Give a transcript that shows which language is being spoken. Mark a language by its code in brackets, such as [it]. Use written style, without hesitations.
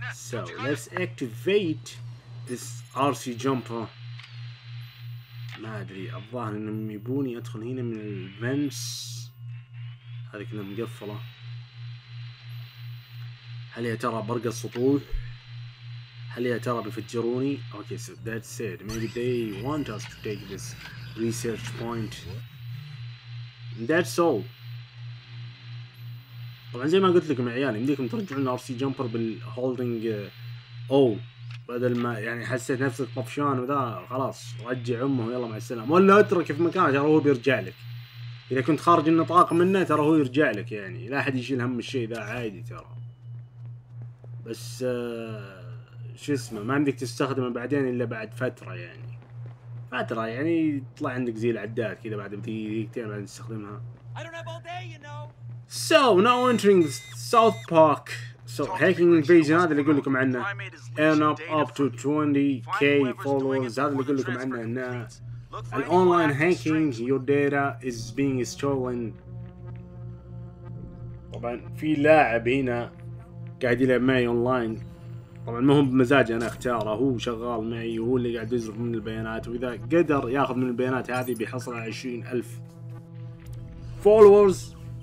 [en] So let's activate this RC jumper. [ar] ما أدري، الظاهر إنهم يبوني أدخل هنا من الفنس. هذه كلها مقفلة. هل يا ترى برق السطوح؟ هل يا ترى بيفجروني؟ [en] Okay, so that's it. Maybe they want us to take this research point. And that's all. [ar] طبعا زي ما قلت لكم يا عيال، يمديكم ترجعون الار سي جامبر بالهولدنج او، بدل ما يعني حسيت نفسك طفشان وذا خلاص رجع امه ويلا مع السلامه، ولا اترك في مكان ترى هو بيرجع لك. اذا كنت خارج النطاق منه ترى هو يرجع لك، يعني لا احد يشيل هم الشيء ذا عادي ترى. بس شو اسمه ما عندك تستخدمه بعدين الا بعد فتره، يعني فتره يعني يطلع عندك زي العداد كذا بعد دقيقتين بعد تستخدمها. [en] So now entering South Park. So hacking invasion. [ar] هذا اللي يقول لكم عنه. [en] And up to 20k followers. [ar] هذا اللي يقول لكم عنه. [en] An online hacking. Your data is being stolen. [ar] طبعا في لاعب هنا قاعد يلعب معي أونلاين. طبعا ما هو بمزاجي أنا اختاره، هو شغال معي وهو اللي قاعد يزرق من البيانات، وإذا قدر يأخذ من البيانات هذه بيحصل على 20,000 followers.